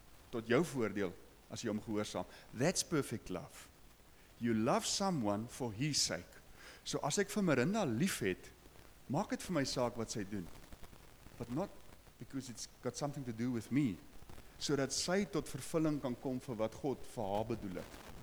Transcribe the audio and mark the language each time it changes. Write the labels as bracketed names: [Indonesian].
[Afrikaans] Tot jou voordeel, as jy hom gehoorsaam. [English] That's perfect love. You love someone for his sake. [Afrikaans] So as ek vir Marinda lief het, maak het vir my saak wat sy doen. [English] But not because it's got something to do with me. [Afrikaans] So dat sy tot vervulling kan kom vir wat God vir haar bedoel het.